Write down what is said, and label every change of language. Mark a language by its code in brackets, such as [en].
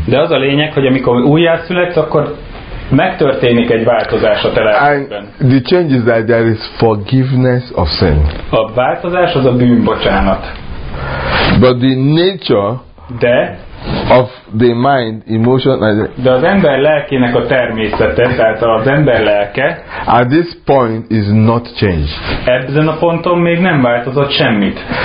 [hu] De az a lényeg, hogy amikor újjászületsz, akkor megtörténik egy változás a te lelkedben. [en] The change is that there is forgiveness of sin. [hu] A változás az a bűnbocsánat. [en] But the nature [hu] De [en] of the mind, emotion, [hu] de az ember lelkének a természete, tehát az ember lelke, [en] at this point is not changed. [hu] Ebben a ponton még nem változott semmit.